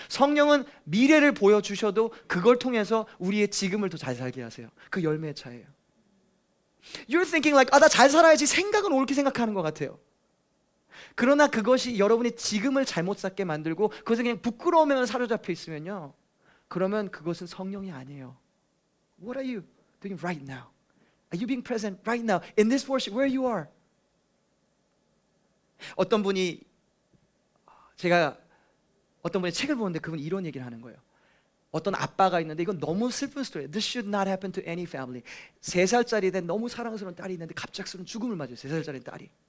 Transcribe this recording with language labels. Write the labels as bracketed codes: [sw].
[ko] 성령은 미래를 보여주셔도 그걸 통해서 우리의 지금을 더 잘 살게 하세요. 그 열매의 차이예요. [en] You're thinking like, [ko] 아, 나 잘 살아야지 생각은 옳게 생각하는 것 같아요. 그러나 그것이 여러분이 지금을 잘못 살게 만들고 그것은 그냥 부끄러우면 사로잡혀 있으면요, 그러면 그것은 성령이 아니에요. [en] What are you doing right now? Are you being present right now in this worship where you are? [ko] 어떤 분이, 제가 어떤 분이 책을 보는데 그분이 이런 얘기를 하는 거예요. 어떤 아빠가 있는데, 이건 너무 슬픈 스토리예요. [en] This should not happen to any family. [ko] 세 살짜리 된 너무 사랑스러운 딸이 있는데 갑작스러운 죽음을 맞아요. 세 살짜리 딸이.